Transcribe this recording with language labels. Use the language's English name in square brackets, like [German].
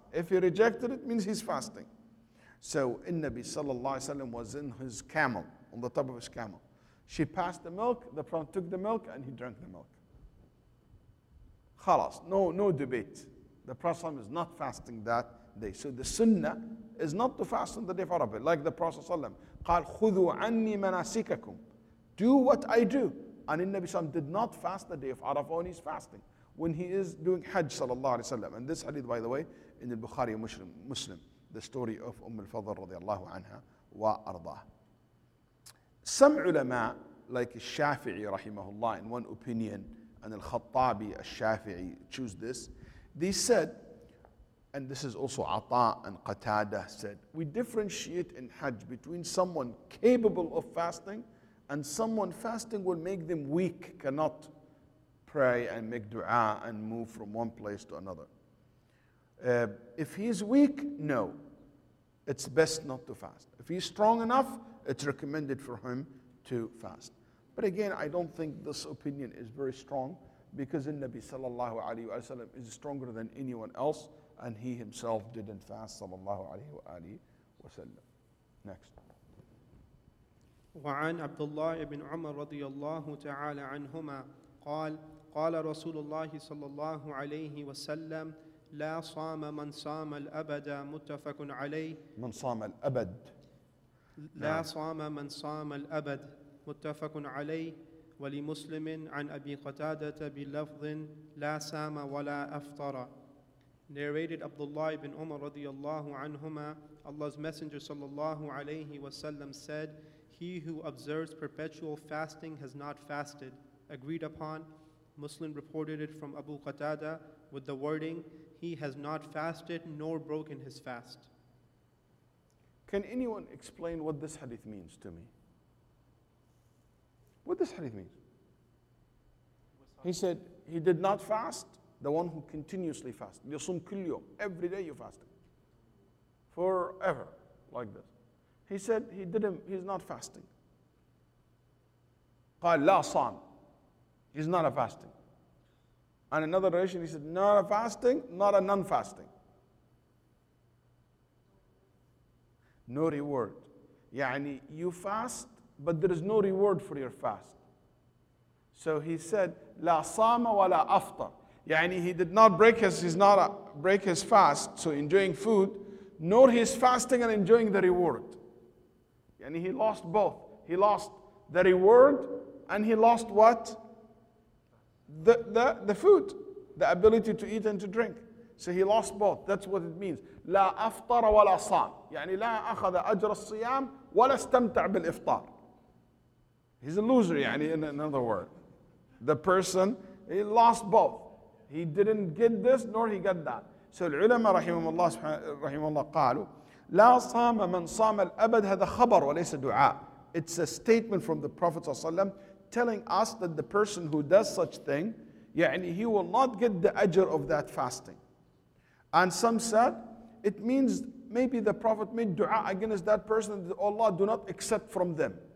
[English] If he rejected it, means he's fasting. So Nabi sallallahu alayhi wa sallam was in his camel, on the top of his camel. She passed the milk, the Prophet took the milk and he drank the milk. Khalas, no debate. The Prophet is not fasting that day. So the sunnah is not to fast on the day of Arafah. Like the Prophet ﷺ, قال خذوا عني مناسككم. Do what I do. And the Nabi ﷺ did not fast the day of Arafah when he's fasting, when he is doing Hajj sallallahu alayhi wa sallam. And this hadith, by the way, in the Bukhari Muslim, the story of al-Fadl radiallahu anha wa ardah. Some ulama, like al-Shafi'i rahimahullah, in one opinion, and al-Khattabi, al-Shafi'i, choose this. They said, and this is also Ata and Qatada said, we differentiate in Hajj between someone capable of fasting and someone fasting will make them weak, cannot pray and make dua and move from one place to another. If he is weak, no. It's best not to fast. If he's strong enough, it's recommended for him to fast. But again, I don't think this opinion is very strong because Nabi sallallahu alayhi wa sallam is stronger than anyone else and he himself didn't fast sallallahu alayhi wa sallam. Next. [Arabic] وعن عبد الله بن عمر رضي الله تعالى عنهما قال قال رسول الله صلى الله عليه وسلم لا صام من صام الأبد متفق عليه من صام الأبد لا صام من صام الأبد متفق عليه ولمسلم عن أبي قتادة بلفظ لا سام ولا أفطر [English] Narrated Abdullah ibn Umar radiyallahu anhuma, Allah's Messenger sallallahu alayhi wasallam said, "He who observes perpetual fasting has not fasted." Agreed upon. Muslim reported it from Abu Qatada with the wording, "He has not fasted nor broken his fast." Can anyone explain what this hadith means to me? What this hadith means? He said he did not fast, the one who continuously fasts. يصوم كل يوم, every day you fast. Forever, like this. He said he didn't, he's not fasting. قال لا صام. He's not a fasting. And another narration, he said, not a fasting, not a non-fasting. No reward. يعني you fast, but there is no reward for your fast. So he said, لا صام ولا أفطر. يعني he did not break his, he's not a, break his fast, so enjoying food, nor he's fasting and enjoying the reward. يعني he lost both. He lost the reward and he lost what? The food, the ability to eat and to drink. So he lost both. That's what it means. لا أفطر ولا صام. [Arabic] يعني لا أخذ أجر الصيام ولا استمتع بالإفطار. [English] He's a loser, يعني in other words. The person, he lost both. He didn't get this, nor he got that. [Arabic] So العلماء رحمهم الله رحمهم الله قالوا لا صام من صام الأبد. هذا خبر وليس دعاء. [English] It's a statement from the Prophet ﷺ telling us that the person who does such thing, يعني he will not get the أجر of that fasting. And some said, it means maybe the Prophet made dua against that person, that Allah do not accept from them.